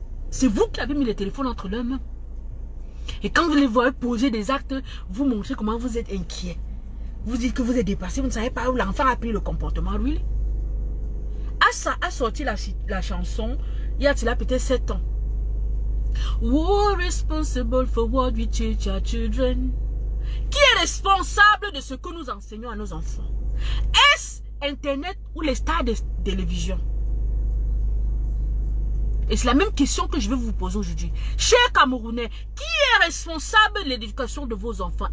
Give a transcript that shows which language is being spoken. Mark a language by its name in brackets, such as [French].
[French] C'est vous qui avez mis le téléphone entre leurs mains. Et quand vous les voyez poser des actes, vous montrez comment vous êtes inquiet. Vous dites que vous êtes dépassé, vous ne savez pas où l'enfant a pris le comportement, lui. Assa a sorti la chanson, il y a-t-il peut-être 7 ans. [English] We're responsible for what we teach our children. [French] Qui est responsable de ce que nous enseignons à nos enfants? Est-ce Internet ou les stars de télévision? Et c'est la même question que je vais vous poser aujourd'hui. Chers Camerounais, qui est responsable de l'éducation de vos enfants?